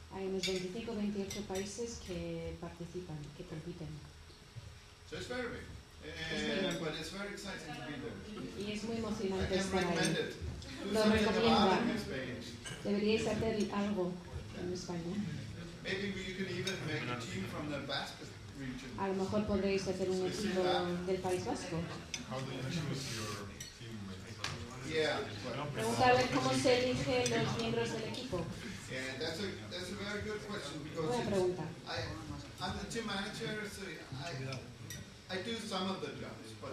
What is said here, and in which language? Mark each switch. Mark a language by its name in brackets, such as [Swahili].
[Spanish] Hay unos 25 o 28 países que participan, que compiten. [English] So it's very big. But it's very exciting to be there. [Spanish] Y es muy emocionante [English] I [Spanish] estar ahí. Lo recomiendo. Deberíais hacer algo en España. [English] Maybe you can even make a team from the Basque region. [Spanish] A lo mejor podréis hacer un equipo del País Vasco. [English] How do you choose your team? [Spanish] Preguntarle cómo se eligen los miembros del equipo. [English] That's a very good question because [Spanish] buena pregunta. [English] I'm the team manager, so I do some of the jobs, but